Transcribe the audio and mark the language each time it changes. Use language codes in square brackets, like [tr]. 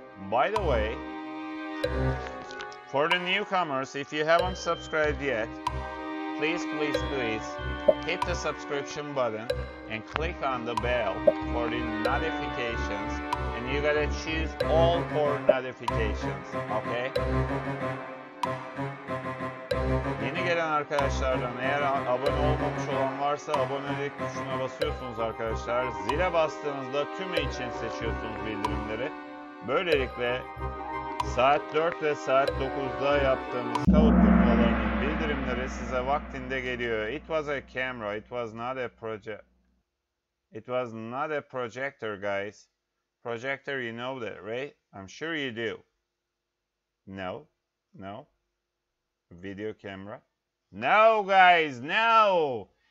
[en] By the way, for the newcomers, if you haven't subscribed yet, please hit the subscription button and click on the bell for the notifications, and you gotta choose all for notifications, okay? [tr] Yeni gelen arkadaşlardan eğer abone olmamış olan varsa abonelik tuşuna basıyorsunuz arkadaşlar. Zile bastığınızda tüm için seçiyorsunuz bildirimleri. Böylelikle saat 4 ve saat 9'da yaptığımız kavuşturmaların bildirimleri bildirimleri size vaktinde geliyor. [en] It was a camera. It was not a It was not a projector, guys. Projector, you know that, right? I'm sure you do. No. No. Video camera. No, guys, no.